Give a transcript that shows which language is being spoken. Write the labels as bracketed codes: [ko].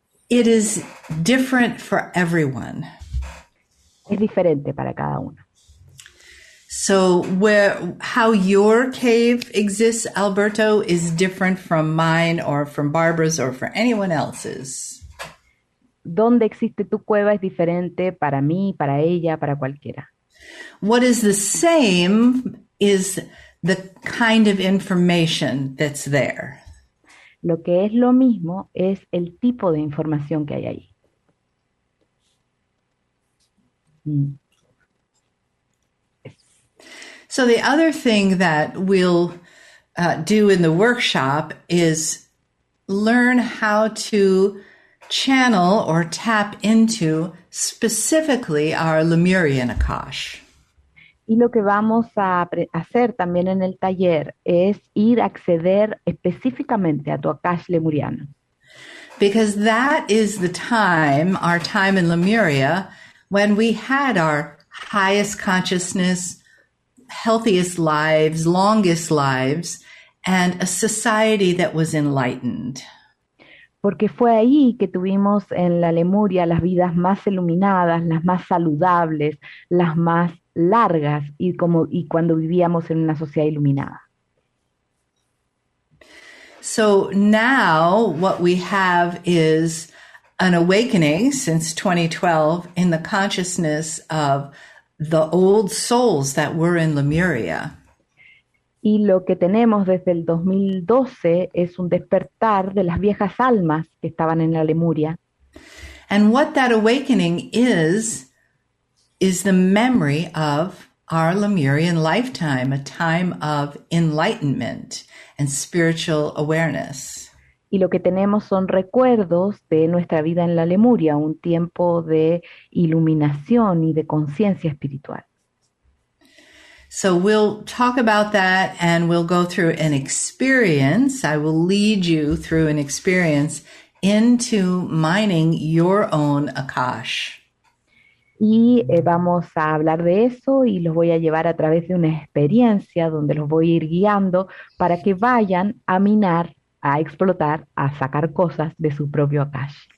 [en] It is different for everyone. [es] Es diferente para cada uno. [en] So where how your cave exists, Alberto, is different from mine or from Barbara's or for anyone else's. [es] Donde existe tu cueva es diferente para mí, para ella, para cualquiera. [en] What is the same is the kind of information that's there. [es] Lo que es lo mismo es el tipo de información que hay ahí. [en] So the other thing that we'll do in the workshop is learn how to channel or tap into specifically our Lemurian Akash. [es] Y lo que vamos a hacer también en el taller es ir a acceder específicamente a tu Akash Lemuriano. [en] Because that is the time, our time in Lemuria, when we had our highest consciousness, healthiest lives, longest lives, and a society that was enlightened. [es] Porque fue ahí que tuvimos en la Lemuria las vidas más iluminadas, las más saludables, las más largas, y cuando vivíamos en una sociedad iluminada. [en] So now what we have is an awakening since 2012 in the consciousness of the old souls that were in Lemuria. [es] Y lo que tenemos desde el 2012 es un despertar de las viejas almas que estaban en la Lemuria. [en] And what that awakening is the memory of our Lemurian lifetime, a time of enlightenment and spiritual awareness. [es] Y lo que tenemos son recuerdos de nuestra vida en la Lemuria, un tiempo de iluminación y de conciencia espiritual. [en] So we'll talk about that and we'll go through an experience. I will lead you through an experience into mining your own Akash. [es] Y vamos a hablar de eso y los voy a llevar a través de una experiencia donde los voy a ir guiando para que vayan a minar, a explotar, a sacar cosas de su propio Akash.